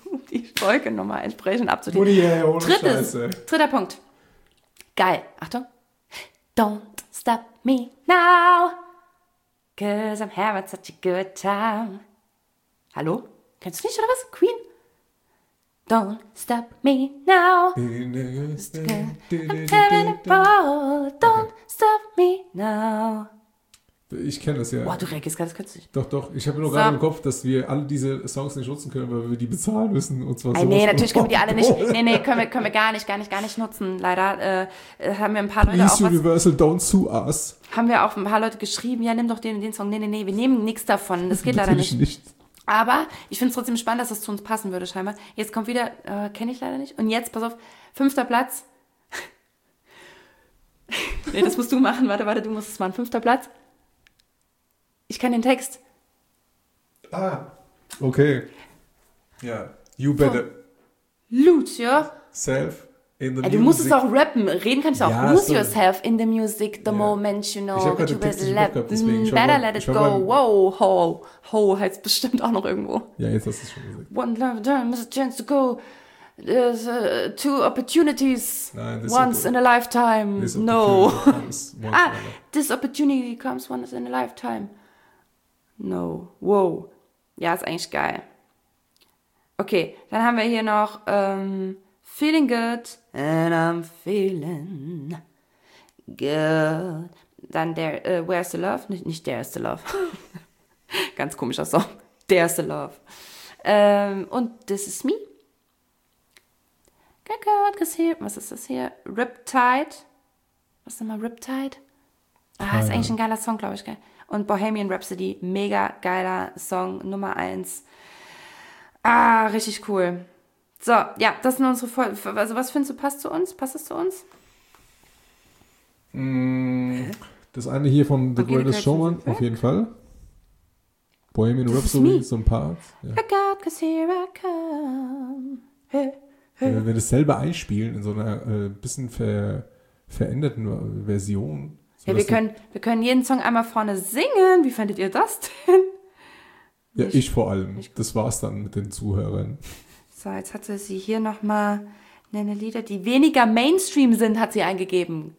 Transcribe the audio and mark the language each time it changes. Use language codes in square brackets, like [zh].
[de] die Folge nochmal entsprechend abzudrehen. Oh yeah, ohne Drittes, Scheiße. Dritter Punkt. Geil. Achtung. [en] Don't stop me now, 'cause I'm having such a good time. [de] Hallo? Kennst du nicht, oder was? Queen? [en] Don't stop me now, 'cause I'm having a ball. Don't stop me now. [de] Ich kenne das ja. Boah, du reagierst gerade, das kannst du nicht. Doch. Ich habe nur gerade im Kopf, dass wir alle diese Songs nicht nutzen können, weil wir die bezahlen müssen und zwar so. Nee, natürlich können wir die alle nicht. Nee, können wir gar nicht nutzen. Leider haben wir ein paar [en] Please [de] Leute auch. [en] Please, Universal, don't sue us. [de] Haben wir auch ein paar Leute geschrieben, ja, nimm doch den Song. Nee, wir nehmen nichts davon. Das geht natürlich leider nicht. Nichts. Aber ich finde es trotzdem spannend, dass das zu uns passen würde, scheinbar. Jetzt kommt wieder, kenne ich leider nicht. Und jetzt, pass auf, fünfter Platz. Nee, das musst du machen. Warte, du musst es machen. Fünfter Platz. Ich kenne den Text. [en] Ah, okay. Ja, yeah. You better. Lose yourself. In the [de] du musst es auch rappen. Reden kann ich auch. [en] Ja, lose yourself in the music, the moment, you know. [de] Ich habe gerade let, [en] better let it go. Wow, ho. [de] Ho heißt bestimmt auch noch irgendwo. Ja, jetzt hast du es schon gesagt. [en] One love, there is a chance to go. There's two opportunities. [de] Nein, [en] once in a lifetime. This no. this opportunity comes once in a lifetime. [de] No. Wow. Ja, ist eigentlich geil. Okay, dann haben wir hier noch... [en] Feeling good and I'm feeling good. [de] Dann der Where's the Love? Nicht There's the Love. Ganz komischer Song. There's the Love. Und This is Me. Get good, cause here, was ist das hier? Riptide. Was ist nochmal Riptide? Ah, ist eigentlich ein geiler Song, glaube ich. Geil. Und Bohemian Rhapsody. Mega geiler Song, Nummer 1. Ah, richtig cool. So, ja, das sind unsere Folgen. Also, was findest du, passt zu uns? Passt es zu uns? Das eine hier von The Greatest Showman, auf jeden Fall. Bohemian Rhapsody, so ein Part. Ja. [en] Look out, cause here I come. [de] Wenn wir das selber einspielen, in so einer bisschen veränderten Version. So ja, wir können jeden Song einmal vorne singen. Wie fändet ihr das denn? Ja, ich vor allem. Das war's dann mit den Zuhörern. So, jetzt hatte sie hier nochmal eine Lieder, die weniger Mainstream sind, hat sie eingegeben.